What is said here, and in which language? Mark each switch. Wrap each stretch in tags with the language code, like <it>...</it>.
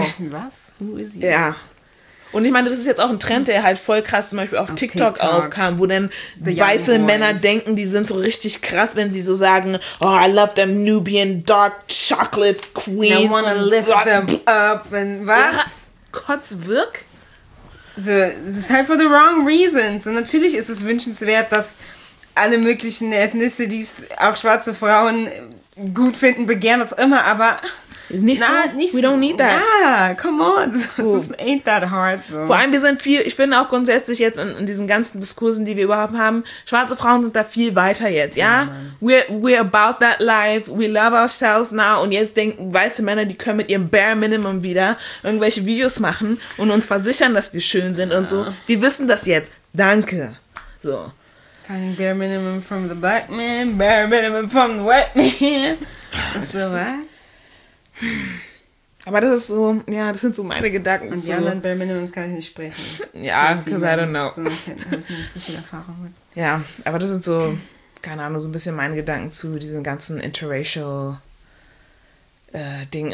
<de>Bisschen, was? Wo ist sie? Ja. Und ich meine, das ist jetzt auch ein Trend, der halt voll krass zum Beispiel auf TikTok aufkam, wo dann weiße Männer denken, die sind so richtig krass, wenn sie so sagen,</de> <en>oh, I love them Nubian dark chocolate queens. I wanna lift them up. And</en> <de>was? Ja, Kotzwirk?</de> <en>So, it's</en> <de>halt</de> <en>for the wrong reasons.</en> <de>Und natürlich ist es wünschenswert, dass alle möglichen Ethnisse, die auch schwarze Frauen gut finden, begehren, was immer, aber... Nicht na, so, nicht</de> <en>we don't need that.</en> <de>Ja,</de> <en>come on, this ain't that hard. So.</en> <de>Vor allem, wir sind viel, ich finde auch grundsätzlich jetzt in diesen ganzen Diskursen, die wir überhaupt haben, schwarze Frauen sind da viel weiter jetzt, ja?</de> <en>Yeah, we're about that life, we love ourselves now</en> <de>und jetzt denken weiße Männer, die können mit ihrem bare minimum wieder irgendwelche Videos machen und uns versichern, dass wir schön sind, yeah, und so. Wir wissen das jetzt, danke. So. Kein</de> <en>bare minimum from the black man, bare minimum from the white man.</en> <de>So was? Aber das ist so, ja, das sind so meine Gedanken. Und die so anderen bei Minimums kann ich nicht sprechen. Ja,</de> <en>because I don't know.</en> <de>So, habe ich nicht so viel Erfahrung mit. Ja, aber das sind so, keine Ahnung, so ein bisschen meine Gedanken zu diesen ganzen interracial Dingen.</de>